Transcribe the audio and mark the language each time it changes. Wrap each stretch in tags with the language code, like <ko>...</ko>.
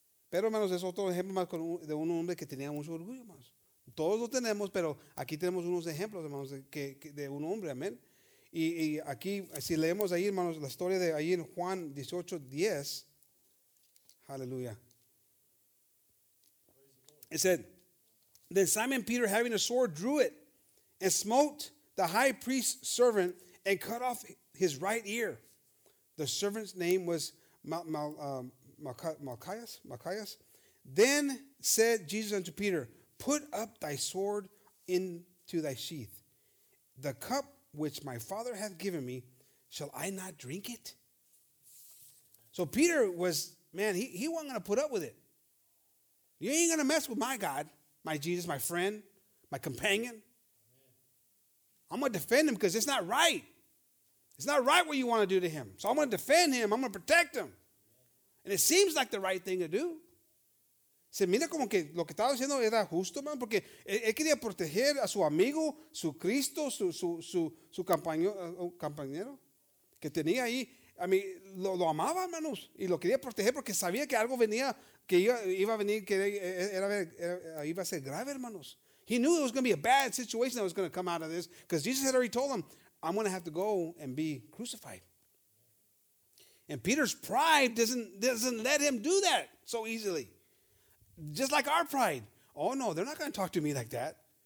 <es>Pero, hermanos, es otro ejemplo más de un hombre que tenía mucho orgullo, hermanos. Todos lo tenemos, pero aquí tenemos unos ejemplos, hermanos, de un hombre. Amén. Y aquí, si leemos ahí, hermanos, la historia de ahí en Juan 18:10. Aleluya.</es> <en>It said, then Simon Peter, having a sword, drew it and smote the high priest's servant and cut off his right ear. The servant's name was Malchias. Then said Jesus unto Peter, put up thy sword into thy sheath. The cup which my father hath given me, shall I not drink it? So Peter was, man, he wasn't going to put up with it. You ain't going to mess with my God, my Jesus, my friend, my companion. I'm going to defend him because it's not right. It's not right what you want to do to him. So I'm going to defend him. I'm going to protect him. And it seems like the right thing to do.</en> <es>Se mira como que lo que estaba haciendo era justo, man, porque él quería proteger a su amigo, su Cristo, su compañero que tenía ahí. A mí lo amaba, hermanos, y lo quería proteger porque sabía que algo venía, que iba a venir, que era iba a ser grave, hermanos.</es> <en>He knew it was going to be a bad situation that was going to come out of this because Jesus had already told him, I'm going to have to go and be crucified. And Peter's pride doesn't let him do that so easily. Just like our pride. Oh, no, they're not going to talk to me like that.</en>